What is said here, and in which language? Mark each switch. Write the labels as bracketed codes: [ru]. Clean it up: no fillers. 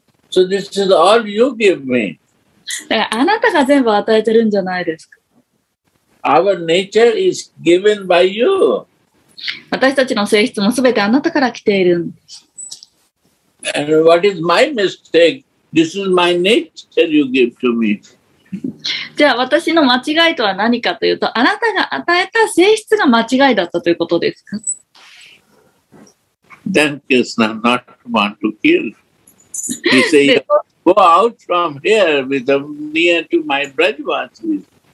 [en] So this is all you give me. [ja] だからあなたが全部与えてるんじゃないですか。 [en] Our nature is given by you. [ja] 私たちの性質もすべてあなたから来ているんです。 [en] And what is my mistake? This is my nature you give to me. [ja] じゃあ私の間違いとは何かというと、あなたが与えた性質が間違いだったということですか。 [en] Then Krishna not want to kill. He said, go out from here with a near to my brajvasis.